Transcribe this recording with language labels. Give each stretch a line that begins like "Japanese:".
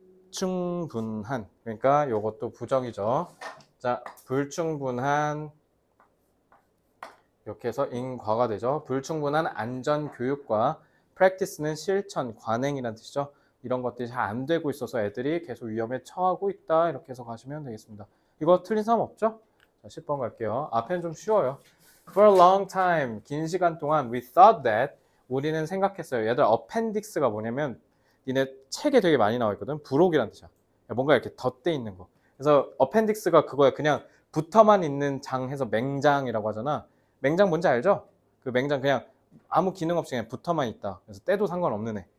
Korean: 충분한. 그러니까 이것도 부정이죠. 자, 불충분한. 이렇게 해서 인과가 되죠. 불충분한 안전 교육과 practice는 실천, 관행이라는 뜻이죠. 이런 것들이 잘안 되고 있어서 애들이 계속 위험에 처하고 있다. 이렇게 해서 가시면 되겠습니다. 이거 틀린 사람 없죠? 자, 10번 갈게요. 앞엔 좀 쉬워요.
English: For a long time,
Korean: 긴 시간 동안,
English: we thought that,
Korean: 우리는 생각했어요. 얘들, appendix가 뭐냐면, 니네 책에 되게 많이 나와 있거든. 부록이란 뜻이야. 뭔가 이렇게 덧대 있는 거. 그래서 appendix가 그거야. 그냥 붙어만 있는 장에서 맹장이라고 하잖아. 맹장 뭔지 알죠? 그 맹장 그냥 아무 기능 없이 그냥 붙어만 있다. 그래서 떼도 상관없는 애.